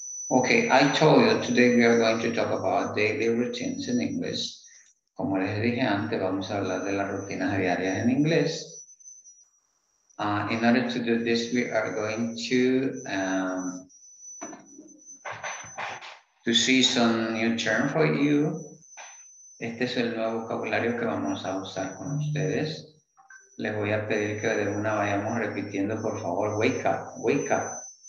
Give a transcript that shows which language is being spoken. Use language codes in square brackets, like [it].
[en] Okay, I told you today we are going to talk about daily routines in English. [es] Como les dije antes, vamos a hablar de las rutinas diarias en inglés. [en] In order to do this, we are going to see some new term for you. [es] Este es el nuevo vocabulario que vamos a usar con ustedes. Les voy a pedir que de una vayamos repitiendo, por favor, [en] wake up, wake up.